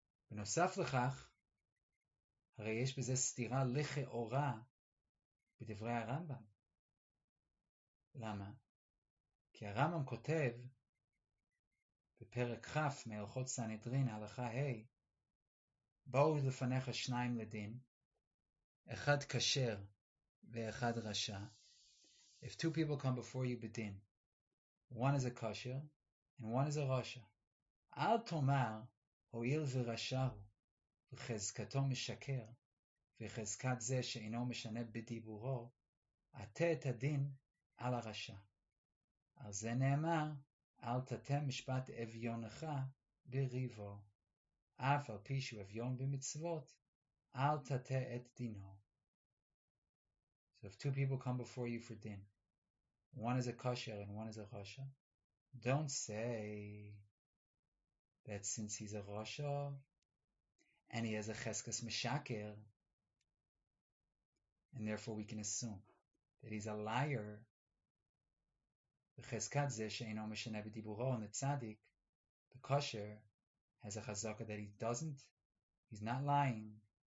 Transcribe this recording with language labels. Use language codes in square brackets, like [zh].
[he] בנוסף לכך, הרי יש בזה סתירה לכאורה בדברי הרמב״ם. למה? כי הרמב״ם כותב בפרק ח' מהלכות סנהדרין הלכה ה' באו לפניך שניים לדין, אחד כשר ואחד רשע. [en] If two people come before you בדין, one is a kosher and one is a rasha. [he] אל תאמר, הועיל ורשע הוא, וחזקתו משקר, וחזקת זה שאינו משנה בדיבורו, עתה את הדין על הרשע. על זה נאמר, אל תתה משפט אביונך בריבו. אף על פי שהוא אביון במצוות, אל תתה את דינו. [en] So if two people come before you for din, one is a kosher and one is a rasha, don't say that since he's a rasha and he has a cheskas meshaker, and therefore we can assume that he's a liar, [he] וחזקת זה שאינו משנה בדיבורו, [en] and the tzaddik, the kosher, has a chazaka that he doesn't, he's not lying.